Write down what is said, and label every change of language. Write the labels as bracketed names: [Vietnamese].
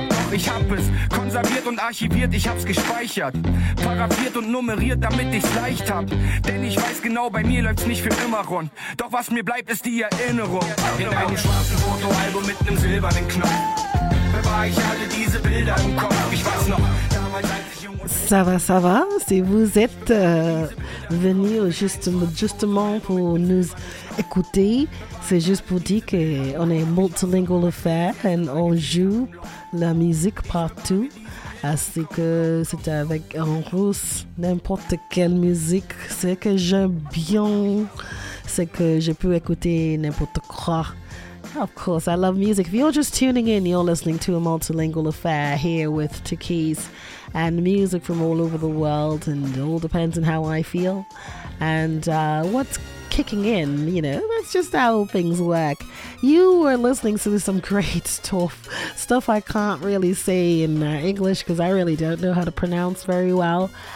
[German] Doch ich hab es konserviert und archiviert, ich hab's gespeichert. Paraffiert und nummeriert, damit ich's leicht hab. Denn ich weiß genau, bei mir läuft's nicht für immer rund. Doch was mir bleibt, ist die Erinnerung. In einem schwarzen Fotoalbum mit einem silbernen Knopf bewahr ich alle diese Bilder im Kopf. Ich weiß noch, damals als ich jung und... [French] ça va, si vous êtes venu justement pour nous écouter. C'est juste pour dire qu'on est multilingual affair et on joue la musique partout. Ainsi que c'est avec en russe, n'importe quelle musique. Ce que j'aime bien, c'est que je peux écouter n'importe quoi. [English] Of course, I love music. If you're just tuning in, you're listening to a multilingual affair here with Takis and music from all over the world. And it all depends on how I feel and what's kicking in, you know, that's just how things work. You were listening to some great stuff I can't really say in English because I really don't know how to pronounce very well.